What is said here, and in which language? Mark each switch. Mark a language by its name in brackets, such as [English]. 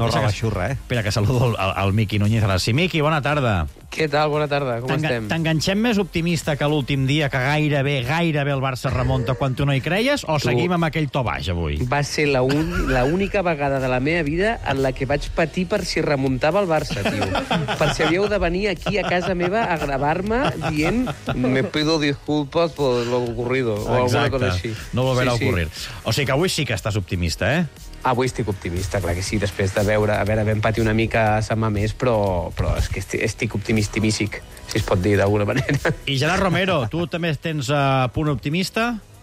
[Catalan] Espera, que saludo el Miqui Núñez. Gràcies, Miqui, bona tarda. Què tal? Bona tarda, com estem? T'enganxem més optimista que l'últim dia, que gairebé el Barça remonta quan tu no hi creies, o seguim amb aquell to baix avui? Va ser l'única vegada de la meva vida en la que vaig patir per si remuntava el Barça, tio. Per si havíeu de venir aquí a casa meva a gravar-me dient [Spanish] me pido disculpas por lo ocurrido. [Catalan] Exacte. O alguna cosa així. [Spanish] No volverà a ocurrir. [Catalan] Sí. O sigui que avui sí que estàs optimista, eh? Avui estic optimista, clar que sí, després de veure... A veure, vam patir una mica a Sant Mamés, però és que estic optimistimíssic, si es pot dir d'alguna manera. I Gerard Romero, tu també tens punt optimista?